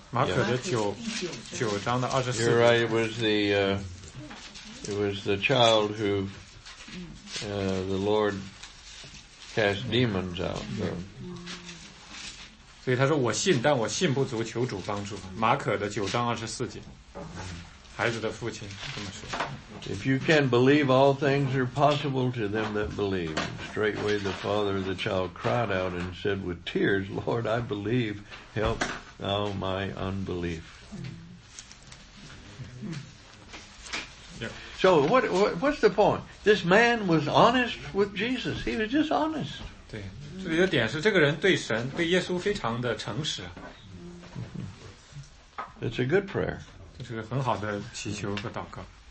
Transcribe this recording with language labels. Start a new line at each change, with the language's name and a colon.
Chinese: Mark 的九章的二十四。
English: You're right. It was the child who, the Lord cast demons out. So.
Chinese: 所以他说我信，但我信不足，求主帮助。马可的九章二十四节。孩子的父亲这么说。
English: If you can believe, all things are possible to them that believe. Straightway the father of the child cried out and said with tears, Lord, I believe, help thou my unbelief. So what's the point? This man was honest with Jesus. He was just honest.
Chinese: 对，这里的点是这个人对神、对耶稣非常的诚实。
English: It's a good prayer.
Chinese: 这是个很好的祈求和祷告。